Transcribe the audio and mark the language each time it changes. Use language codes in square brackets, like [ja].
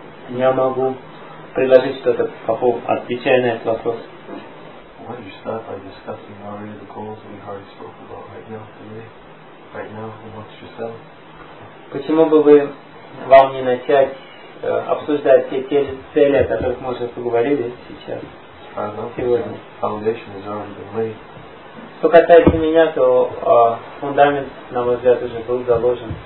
[ru] Я могу предложить что-то по поводу, отвечая на этот вопрос. [en] Why don't you start by discussing already the goals that we already spoke about right now today? Right now, amongst yourself? [ru] Почему бы вы вам не начать обсуждать все те же цели, о которых мы уже поговорили сейчас, сегодня. Что касается меня, то фундамент, на мой взгляд, уже был заложен.